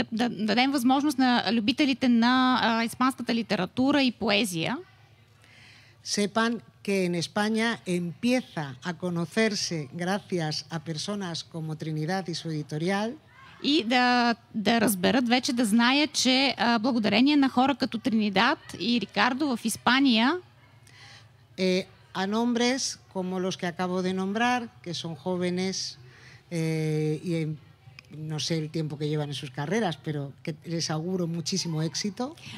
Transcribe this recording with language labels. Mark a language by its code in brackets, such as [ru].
[bg] дадем възможност на любителите на испанската литература и поезия [es] sepan que en España empieza a conocerse gracias a personas como Trinidad y su editorial. [bg] И да разберат вече, да знаят, че благодарение на хора като Тринидад и Рикардо в Испания [es] a nombres como los que acabo de nombrar, que son jóvenes y no sé el tiempo que llevan en sus carreras, pero que les auguro muchísimo éxito.